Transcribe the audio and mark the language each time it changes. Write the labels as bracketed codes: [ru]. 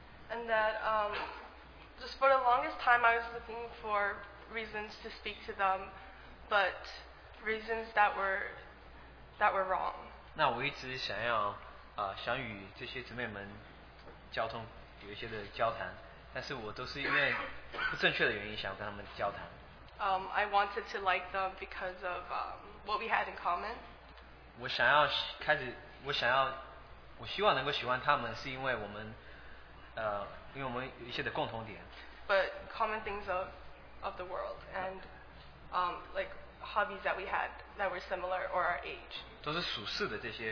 [en] And that just for the longest time I was looking for reasons to speak to them, but reasons that were wrong. [zh] 那我一直想要想与这些姊妹们交通有一些的交谈，但是我都是因为不正确的原因想要跟他们交谈。 [en] I wanted to like them because of what we had in common. [zh] 我希望能够喜欢他们，是因为我们有一些的共同点。 [en] But common things of the world and like hobbies that we had that were similar or our age.